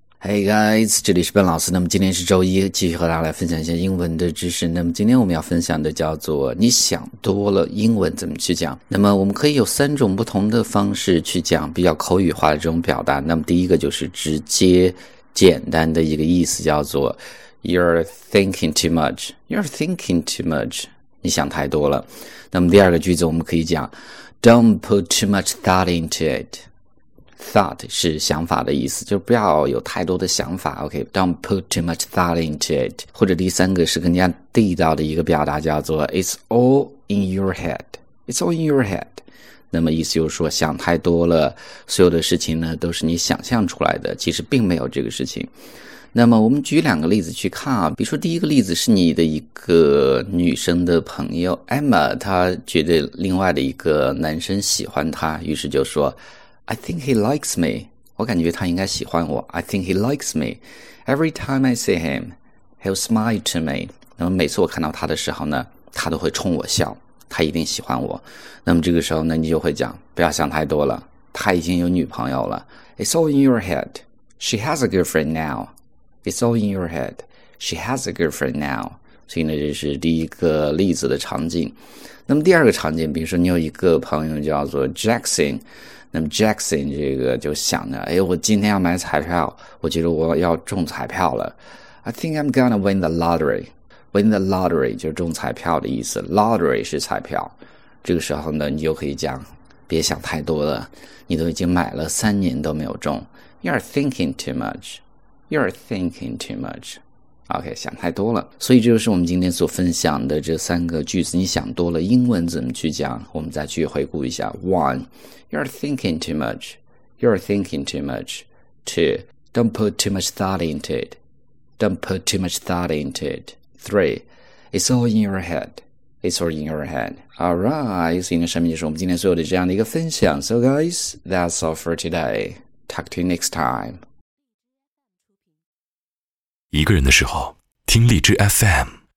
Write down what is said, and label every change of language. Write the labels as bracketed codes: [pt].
[zh] Hey guys，这里是笨老师。那么今天是周一，继续和大家来分享一下英文的知识。那么今天我们要分享的叫做你想多了，英文怎么去讲。那么我们可以有三种不同的方式去讲比较口语化的这种表达。那么第一个就是直接简单的一个意思，叫做 You're thinking too much. [en] You're thinking too much. [zh] 你想太多了。那么第二个句子我们可以讲 Don't put too much thought into it. Thought 是想法的意思，就不要有太多的想法。 [en] Okay, don't put too much thought into it. [zh] 或者第三个是更加地道的一个表达，叫做 "It's all in your head." [en] It's all in your head. [zh] 那么意思就是说，想太多了，所有的事情呢都是你想象出来的，其实并没有这个事情。那么我们举两个例子去看啊，比如说第一个例子是你的一个女生的朋友 Emma， 她觉得另外的一个男生喜欢她，于是就说。 [en] I think he likes me. 我感觉他应该喜欢我。 I think he likes me. Every time I see him, he'll smile to me. [zh] 那么每次我看到他的时候呢，他都会冲我笑。他一定喜欢我。那么这个时候呢，你就会讲，不要想太多了。他已经有女朋友了。 It's all in your head. [en] She has a girlfriend now. It's all in your head. She has a girlfriend now. [zh] 所以呢，这是第一个例子的场景。那么第二个场景，比如说你有一个朋友叫做 Jackson， 那么 Jackson 这个就想着，哎，我今天要买彩票，我觉得我要中彩票了。 [en] I think I'm gonna win the lottery. [zh] Win the lottery 就是中彩票的意思，lottery 是彩票。这个时候呢，你就可以讲，别想太多了，你都已经买了3年都没有中。 [en] You're thinking too much. You're thinking too much. [zh] OK， 想太多了，所以这就是我们今天所分享的这三个句子。你想多了，英文怎么去讲？ [en] 我们再去回顾一下： One，you're thinking too much. You're thinking too much. Two，don't put too much thought into it. Don't put too much thought into it. Three，it's all in your head. It's all in your head. [zh] All right，所以呢，上面就是我们今天所有的这样的一个分享。 [en] So guys，that's all for today. Talk to you next time. [zh] 一个人的时候，听荔枝 FM。